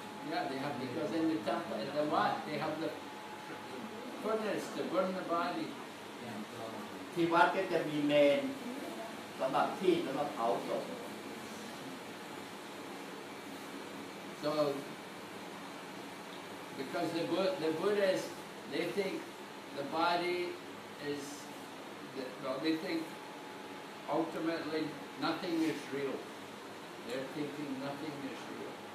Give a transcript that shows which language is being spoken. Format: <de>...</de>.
<en>Yeah, they have because in the temple, in the what? They have the furnace to burn the body.</en> <th>ที่วัดก็จะมีเมนสำหรับที่สำหรับเผาศพ</th> <en>So, because the Buddhists, they think the body is, well, they think ultimately nothing is real. They're thinking nothing is real.</en>